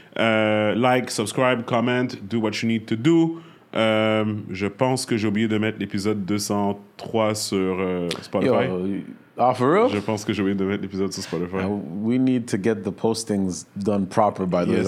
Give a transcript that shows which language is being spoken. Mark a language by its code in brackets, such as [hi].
[en] Like, subscribe, comment, do what you need to do. [fr] Je pense que j'ai oublié de mettre l'épisode 203 sur Spotify. [en] Yo, for real? [fr] Je pense que j'ai oublié de mettre l'épisode sur Spotify. [en] We need to get the postings done proper, by the way.